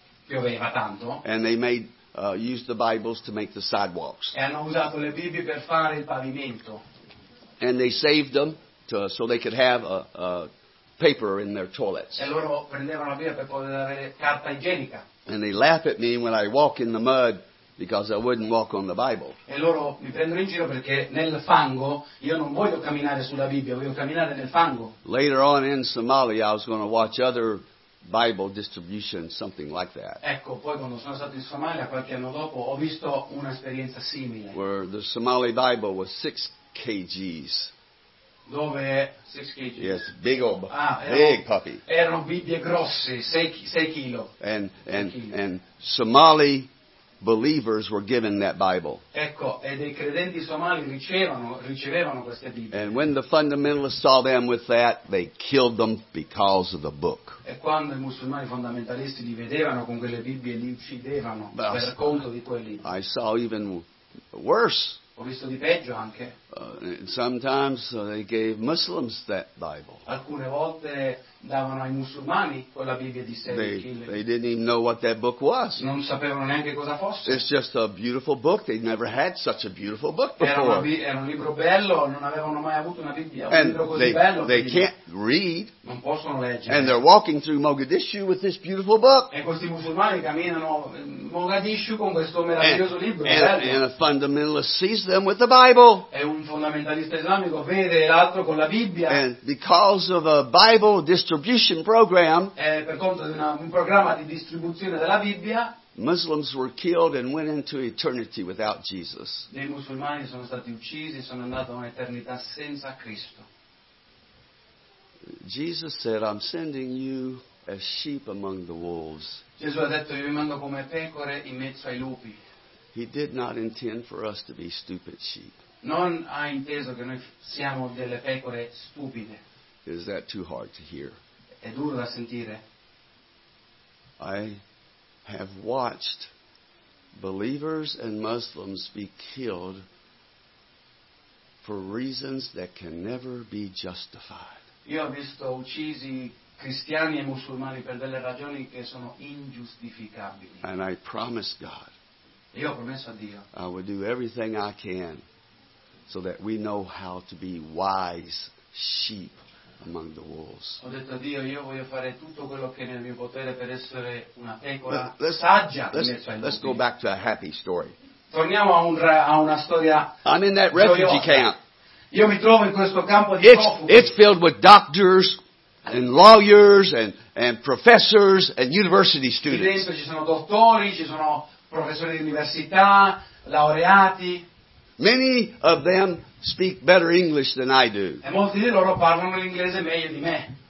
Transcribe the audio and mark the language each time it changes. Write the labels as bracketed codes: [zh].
[it] Pioveva tanto. [en] And they made used the Bibles to make the sidewalks. [it] E hanno usato le Bibbie per fare il pavimento. [en] And they saved them. So they could have a paper in their toilets. [it] E loro prendevano la birra per poter avere carta igienica. [en] And they laugh at me when I walk in the mud because I wouldn't walk on the Bible. [it] E loro mi prendono in giro perché nel fango io non voglio camminare sulla Bibbia, voglio camminare nel fango. [en] Later on in Somalia I was going to watch other Bible distribution, something like that. [it] Ecco, poi quando sono stato in Somalia qualche anno dopo ho visto un'esperienza simile. [en] Where the Somali Bible was 6 kgs. [it] Dove 6 kg? [en] Yes, big old, big puppy. [it] Erano Bibbie grosse, 6 kg. [en] And Somali believers were given that Bible. [it] Ecco, e dei credenti somali ricevevano queste Bibbie. [en] And when the fundamentalists saw them with that, they killed them because of the book. [it] E quando i musulmani fondamentalisti li vedevano con quelle Bibbie, li uccidevano per conto di quei libri. [en] I saw even worse. [it] Ho visto di peggio anche. [en] Sometimes they gave Muslims that Bible. [it] Alcune volte davano ai musulmani quella Bibbia di 6 kg. [en] They didn't even know what that book was. [it] Non sapevano neanche cosa fosse. [en] It's just a beautiful book. They never had such a beautiful book before. [it] Era un libro bello. Non avevano mai avuto una Bibbia, un libro così bello. [en] They can't read. [it] Non possono leggere. [en] And they're walking through Mogadishu with this beautiful book. [it] E questi musulmani camminano Mogadishu con questo meraviglioso libro. [en] And a fundamentalist sees them with the Bible. [it] Un fondamentalista islamico vede l'altro con la Bibbia. [en] And because of a Bible distribution program, [it] per conto di un programma di distribuzione della Bibbia, [en] Muslims were killed and went into eternity without Jesus. [it] Dei musulmani sono stati uccisi e sono andati a un'eternità senza Cristo. [en] Jesus said, "I'm sending you as sheep among the wolves." [it] Gesù ha detto, "Io vi mando come pecore in mezzo ai lupi." [en] He did not intend for us to be stupid sheep. [it] Non ha inteso che noi siamo delle pecore stupide. [en] Is that too hard to hear? [it] È duro da sentire. [en] I have watched believers and Muslims be killed for reasons that can never be justified. [it] Io ho visto uccisi cristiani e musulmani per delle ragioni che sono ingiustificabili. [en] And I promised God. [it] Io ho promesso a Dio. [en] I will do everything I can. So that we know how to be wise sheep among the wolves. [it] Ho detto a Dio, io voglio fare tutto quello che è nel mio potere per essere una pecora saggia. [en] Let's go back to a happy story. [it] Torniamo a una storia. [en] I'm in that refugee camp. [it] Io mi trovo in questo campo di profughi. [en] It's filled with doctors and lawyers and professors and university students. [it] Dentro ci sono dottori, ci sono professori di università, laureati. [en] Many of them speak better English than I do. [it] E molti di loro parlano l'inglese meglio di me.